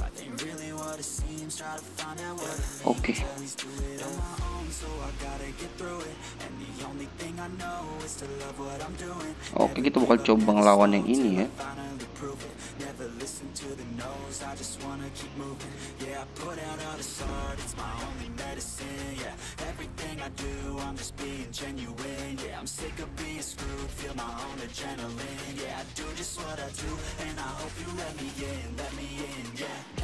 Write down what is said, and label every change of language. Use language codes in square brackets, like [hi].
[en] Life ain't really what it seems. Try to find out what it means. Okay. Do it on my own, so I gotta get through it. And the only thing I know is to love what I'm doing. [id] Okay, kita bakal coba ngelawan yang ini ya. [en] Never listen to the noise, I just wanna keep moving. Yeah, I put out all the art, it's my only medicine. Yeah, everything I do, I'm just being genuine. Yeah, I'm sick of being screwed, feel my own adrenaline. Yeah, I do just what I do, and I hope you let me in, yeah.